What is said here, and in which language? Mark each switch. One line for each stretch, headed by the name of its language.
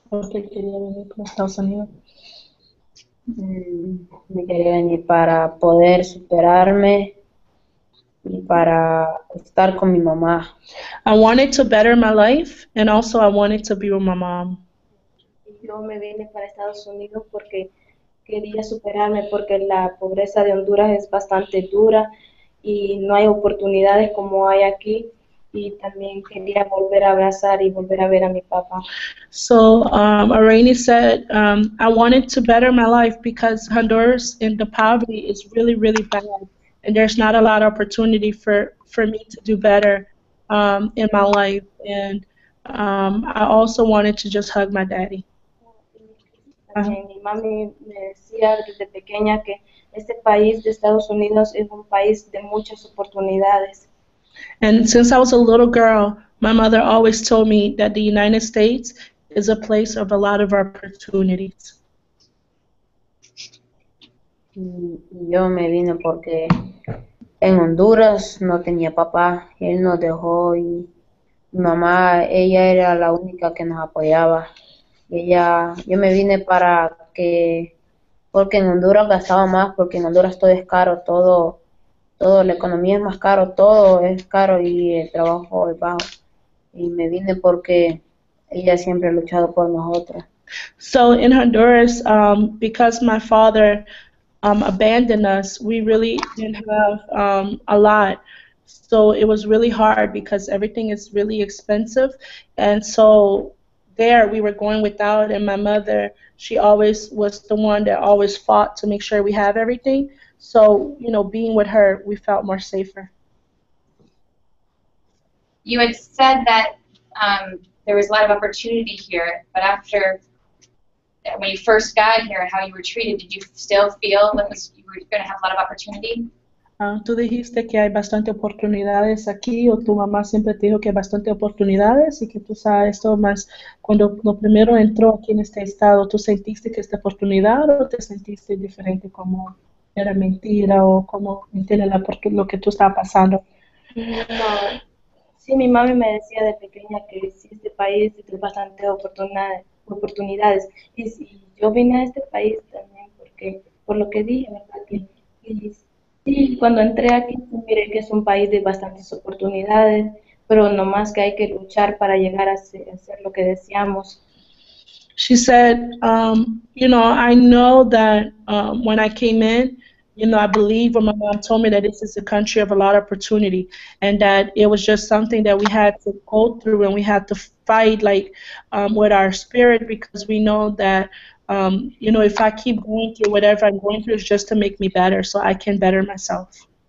Spanish: Me quería venir para poder superarme. y para estar con mi mamá.
English: I wanted to better my life, and also I wanted to be with my mom.
Spanish: Yo me vine para Estados Unidos porque quería superarme, porque la pobreza de Honduras es bastante dura y no hay oportunidades como hay aquí. Y también quería volver a abrazar y volver a ver a mi papá.
English: So, Areiny said, I wanted to better my life because Honduras and the poverty is really, really bad. And there's not a lot of opportunity for me to do better in my life. And I also wanted to just hug my daddy.
Spanish: Mi mami me decía desde pequeña que este país de Estados Unidos es un país de muchas oportunidades.
English: And since I was a little girl, my mother always told me that the United States is a place of a lot of opportunities.
Spanish: Yo me vine porque en Honduras no tenía papá, él nos dejó y mamá, ella era la única que nos apoyaba. Ella, yo me vine para que, porque en Honduras gastaba más, porque en Honduras todo es caro, todo. Todo, la economía es más caro, todo es caro y el trabajo es bajo. Y me vine porque ella siempre ha luchado por nosotros.
English: So in Honduras, because my father abandoned us, we really didn't have a lot. So it was really hard because everything is really expensive. And so there we were going without, and my mother, she always was the one that always fought to make sure we have everything. So, you know, being with her, we felt more safer. You had said that there was a lot of opportunity here, but after, when you first got here, how you were treated, did you still feel that you were going to have a lot of opportunity?
Spanish: Tú dijiste que hay bastante oportunidades aquí, o tu mamá siempre te dijo que hay bastante oportunidades, y que tú sabes esto más, cuando lo primero entró aquí en este estado, ¿tú sentiste que esta oportunidad, o te sentiste diferente como... era mentira o cómo entiende la por lo que tú estabas pasando? No, sí, mi mami me decía de pequeña que sí, este país tiene bastante oportunidades. Y sí, yo vine a este país también porque, por lo que dije, ¿verdad? Que, y sí, cuando entré aquí, miré que es un país de bastantes oportunidades, pero nomás que hay que luchar para llegar a hacer lo que deseamos.
English: She said, you know, I know that when I came in, you know, I believe when my mom told me that this is a country of a lot of opportunity and that it was just something that we had to go through and we had to fight, like, with our spirit, because we know that, you know, if I keep going through whatever I'm going through, it's just to make me better so I can better myself.